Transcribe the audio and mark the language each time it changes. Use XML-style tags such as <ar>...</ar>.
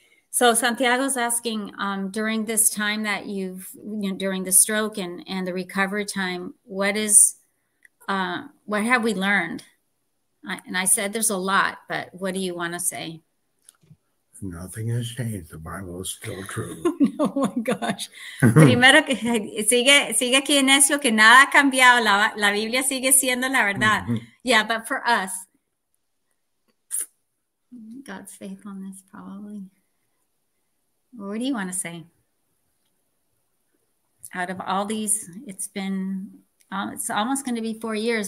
<en>So Santiago's asking, during this time that you know, during the stroke and the recovery time, what have we learned? And I said, there's a lot, but what do you want to say? Nothing has changed. The Bible is still true. Oh, my gosh.</en> <es>Primero, sigue aquí en eso, que nada ha cambiado. La Biblia sigue siendo la verdad. Mm-hmm.</es> <en>Yeah, but for us, God's faithfulness, probably. What do you want to say? Out of all these, it's been... it's almost going to be 4 years.</en>